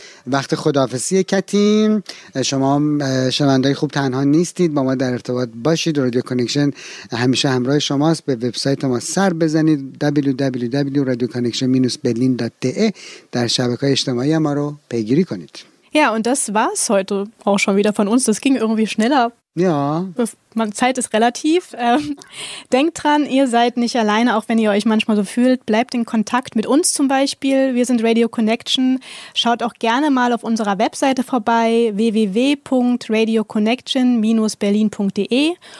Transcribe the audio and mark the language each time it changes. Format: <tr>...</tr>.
<fa>وقت خداحافظی کتیم. شما شنوندای خوب تنها نیستید، با ما در ارتباط باشید. رادیو کانکشن همیشه همراه شماست. به وبسایت ما سر بزنید، www.radioconnection-berlin.de. در شبکه‌های اجتماعی ما رو پیگیری کنید.</fa> <de>Ja, und das war's heute auch schon wieder von uns. Das ging irgendwie schneller. Ja. Zeit ist relativ. Denkt dran, ihr seid nicht alleine, auch wenn ihr euch manchmal so fühlt. Bleibt in Kontakt mit uns zum Beispiel. Wir sind Radio Connection. Schaut auch gerne mal auf unserer Webseite vorbei, www.radioconnection-berlin.de.</de>